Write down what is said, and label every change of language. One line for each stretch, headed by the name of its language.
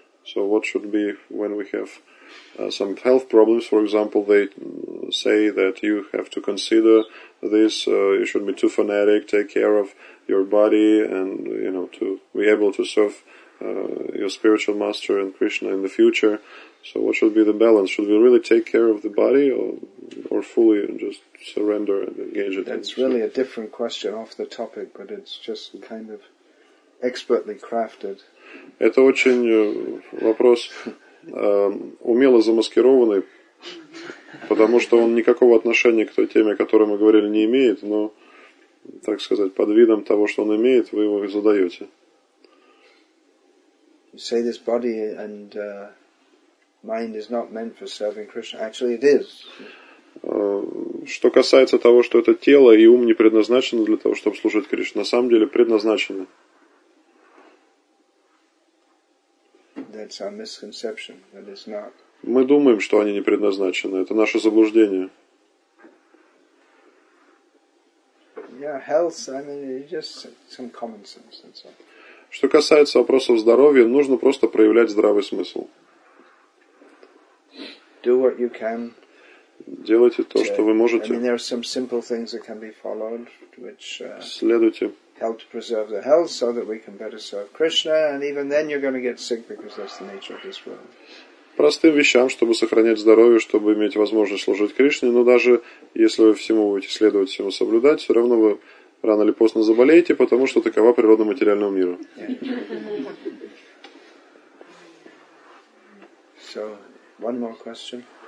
English: So what should be when we have some health problems, for example, they say that you have to consider this, you shouldn't be too fanatic, take care of your body and, you know, to be able to serve your spiritual master and Krishna in the future. So what should be the balance? Should we really take care of the body or fully and just surrender and engage it? That's really a different question off the topic, but it's just kind of expertly crafted.
Russian: Это очень вопрос умело замаскированный, потому что он никакого отношения к той теме, о которой мы говорили, не имеет, но, так сказать, под видом того, что он имеет, вы его задаете.
English: You say this body and mind is not meant for serving Krishna. Actually, it is.
Russian: Что касается того, что это тело и ум не предназначены для того, чтобы служить Кришне, на самом деле предназначены.
English: That's our misconception, that it's not.
Russian: Мы думаем, что они не предназначены. Это наше заблуждение.
English: Yeah, health, I mean, just some common sense, that's all.
Russian: Что касается вопросов здоровья, нужно просто проявлять здравый смысл.
English: Do what you can.
Russian: Делайте то, что вы можете.
English: I mean, there are some simple things that can be followed, which
Russian: следуйте.
English: Help to preserve the health so that we can better serve Krishna, and even then you're going to get sick because that's the nature of this world.
Russian: Простым вещам, чтобы сохранять здоровье, чтобы иметь возможность служить Кришне, но даже если вы всему будете следовать, всему соблюдать, все равно вы рано или поздно заболеете, потому что такова природа материального мира.
English: Yeah. So, one more question.